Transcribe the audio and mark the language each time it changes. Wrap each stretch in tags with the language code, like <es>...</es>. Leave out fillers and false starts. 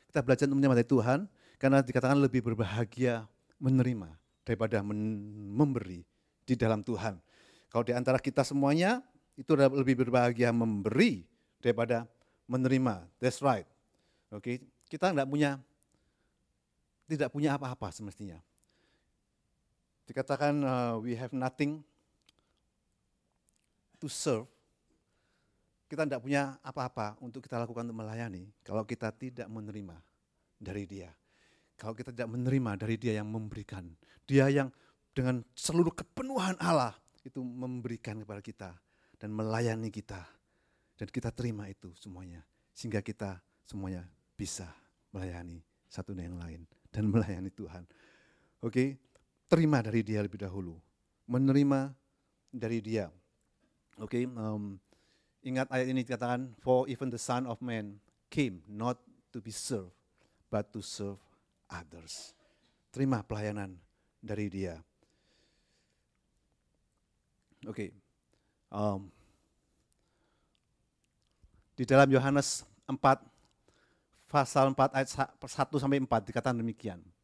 <id>Kita belajar untuk menerima dari Tuhan karena dikatakan lebih berbahagia menerima daripada memberi di dalam Tuhan. Kalau di antara kita semuanya itu adalah lebih berbahagia memberi daripada menerima.</id> <en>That's right.</en> <id>Oke, kita tidak punya apa-apa semestinya. Dikatakan</id> <en>we have nothing to serve.</en> <id>Kita tidak punya apa-apa untuk kita lakukan untuk melayani kalau kita tidak menerima dari Dia. Kalau kita tidak menerima dari Dia yang memberikan, Dia yang dengan seluruh kepenuhan Allah itu memberikan kepada kita dan melayani kita. Dan kita terima itu semuanya sehingga kita semuanya bisa melayani satu dengan yang lain dan melayani Tuhan. Oke, terima dari Dia lebih dahulu. Menerima dari Dia. Oke, ingat ayat ini dikatakan,</id> <en>for even the Son of Man came not to be served, but to serve others.</en> <id>Terima pelayanan dari Dia. Oke, di dalam Yohanes 4, pasal 4 ayat 1-4 dikatakan demikian.</id>